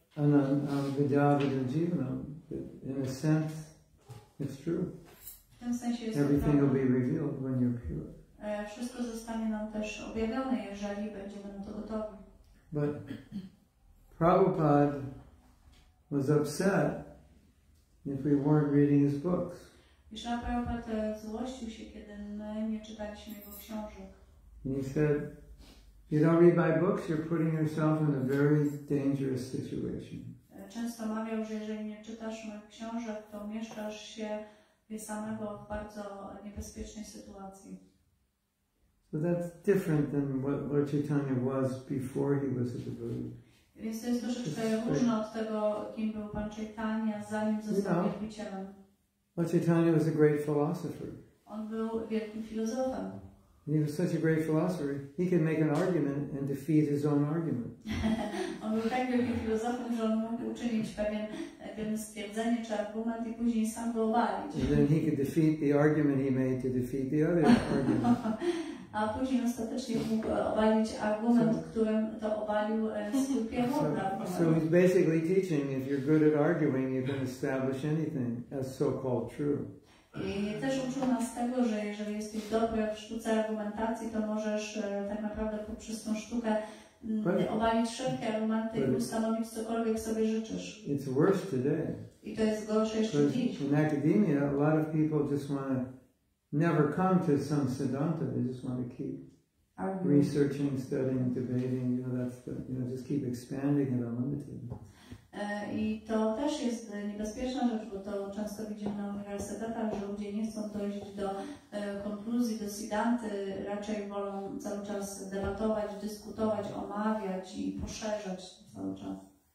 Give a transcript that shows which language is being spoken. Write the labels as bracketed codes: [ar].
[en] And on Vidyavidya Jivana, in a sense, it's true. Everything will be revealed when you're pure. [pl] Wszystko zostanie nam też objawione, jeżeli będziemy na to gotowi. [en] But Prabhupada was upset if we weren't reading his books. [pl] Prabhupada złościł się, kiedy my nie czytaliśmy jego książek. [en] And he said, you don't read my books, you're putting yourself in a very dangerous situation. [pl] Często mawiał, że jeżeli nie czytasz moich książek, to mieszkasz się samego w bardzo niebezpiecznej sytuacji. [en] So that's different than what Lord Chaitanya was before he was a devotee. [pl] Więc to jest troszeczkę różne od tego, kim był Pan Chaitanya, zanim został wielbicielem. [en] Lord Chaitanya was a great philosopher. [pl] On był wielkim filozofem. [en] He was such a great philosopher, he could make an argument and defeat his own argument. [pl] On był tak wielkim filozofem, że on mógł uczynić pewien stwierdzenie czy argument i później sam go obalić. [en] And then he could defeat the argument he made to defeat the other argument. [pl] A później ostatecznie mógł obalić argument, którym to obalił swój pierwotny argument. [en] So he's basically teaching, if you're good at arguing, you can establish anything as so-called true. [pl] I też uczył nas tego, że jeżeli jesteś dobry w sztuce argumentacji, to możesz tak naprawdę poprzez tą sztukę obalić wszelkie argumenty i ustanowić cokolwiek sobie życzysz. [en] It's worse today. [pl] I to jest gorsze jeszcze dziś. [en] In academia, a lot of people just want to never come to some siddhanta. They just want to keep researching, studying, debating. You know, that's the, you know, just keep expanding it unlimited. [pl] I to też jest niebezpieczna rzecz, bo to często widzimy na uniwersytetach, że ludzie nie chcą dojść do konkluzji, do siddhanty, raczej wolą cały czas debatować, dyskutować, omawiać i poszerzać cały czas.